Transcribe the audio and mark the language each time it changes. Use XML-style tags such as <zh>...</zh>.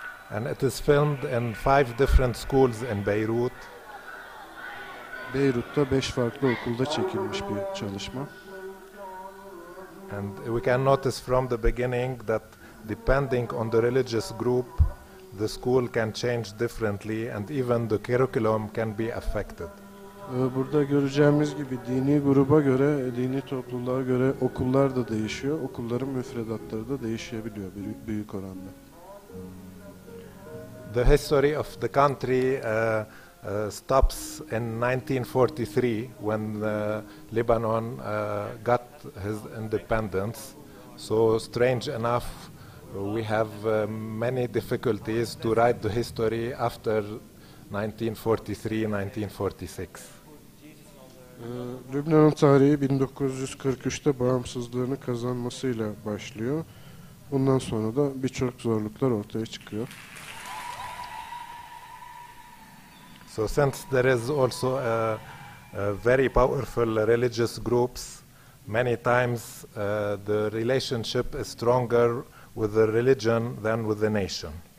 <en>And it is filmed in 5 different schools in Beirut.</en> <tr>Beyrut'ta 5 farklı okulda çekilmiş bir çalışma.</tr> <en>And we can notice from the beginning that depending on the religious group, the school can change differently and even the curriculum can be affected.</en> <tr>Burada göreceğimiz gibi dini gruba göre, dini topluluğa göre okullar da değişiyor. Okulların müfredatları da değişebiliyor büyük oranda.</tr> <en>The history of the country stops in 1943 when Lebanon got his independence. So strange enough, we have many difficulties to write the history after 1943-1946.</en> <tr>Lübnan'ın tarihi 1943'te bağımsızlığını kazanmasıyla başlıyor. Bundan sonra da birçok zorluklar ortaya çıkıyor.</tr> <en>So since there is also a very powerful religious groups, many times the relationship is stronger with the religion than with the nation.</en>